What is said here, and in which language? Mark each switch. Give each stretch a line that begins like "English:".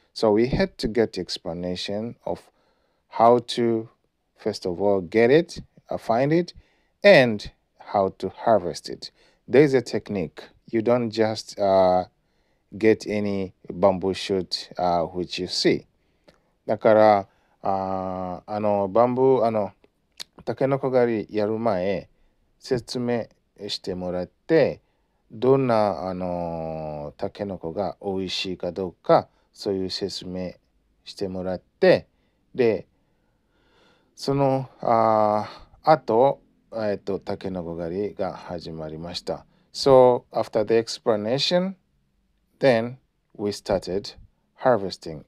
English: So we had to get explanation of how to. First of all, get it, find it, and how to harvest it. There is a technique. You don't just get any bamboo shoot which you see.
Japanese: だから、あのバンブー、あのタケノコ狩りやる前、説明してもらって、どんなあのタケノコが美味しいかどうか、そういう説明してもらって、で、そのあと、タケノコ狩りが始まりました。
English: So, after the explanation, then we started harvesting.